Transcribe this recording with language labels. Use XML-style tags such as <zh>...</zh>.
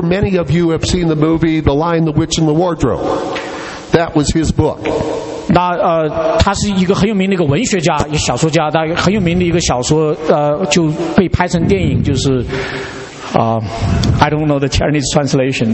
<en>Many of you have seen the movie The Lion, the Witch, and the Wardrobe. That was his book.</en> <zh>那他是一个很有名的一个文学家，一个小说家，他很有名的一个小说就被拍成电影，就是。</zh> <en>I don't know the Chinese translation.</en>